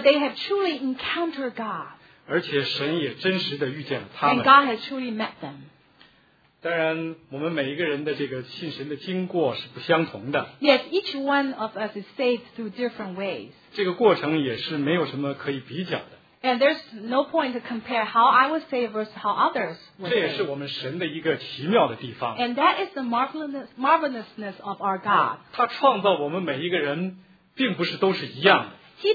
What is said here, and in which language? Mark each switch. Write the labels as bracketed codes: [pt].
[en] they have truly encountered God. [zh] 而且神也真实的遇见了他们。 [en] And God has truly met them. [zh] 当然，我们每一个人的这个信神的经过是不相同的。 [en] Yes, each one of us is saved through different ways. [zh] 这个过程也是没有什么可以比较的。 [en] And there's no point to compare how I was saved versus how others were saved. [zh] 这也是我们神的一个奇妙的地方。 [en] And that is the marvelousness of our God. [zh] 他创造我们每一个人，并不是都是一样的。 [en] He